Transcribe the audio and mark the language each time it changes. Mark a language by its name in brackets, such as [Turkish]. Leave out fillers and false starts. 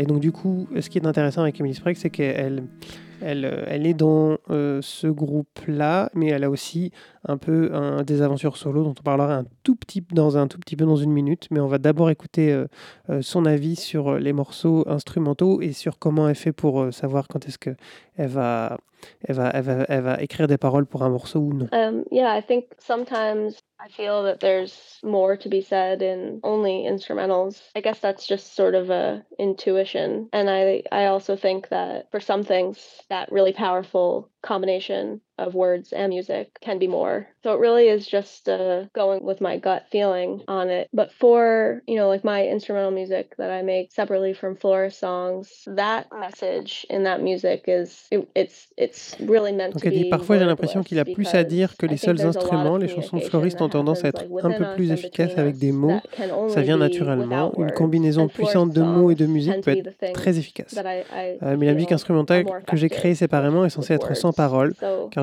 [French] Et donc du coup, ce qui est intéressant avec Emily Sprague, c'est qu'elle, elle est dans ce groupe-là, mais elle a aussi un peu des aventures solo dont on parlera un tout petit peu dans une minute. Mais on va d'abord écouter son avis sur les morceaux instrumentaux et sur comment elle fait pour savoir quand est-ce que elle va écrire des paroles pour un morceau ou non. [English] Yeah, I think sometimes I feel that there's more to be said in only instrumentals. I guess that's just sort of a intuition. And I also think that for some things, that really powerful combination of words and music can be more. So it really is just going with my gut feeling on it. But for, you know, like my instrumental music that I make separately from Flora's songs, that message in that music is, it's really meant [French] donc [English] to be. [French] Donc parfois j'ai l'impression qu'il a plus à dire que les seuls instruments. Les chansons de Floriste ont tendance à être un peu plus efficaces avec des mots. Ça vient naturellement. Une combinaison puissante de mots et de musique peut être très efficace. Mais la musique instrumentale que j'ai créée séparément est censée être sans paroles, car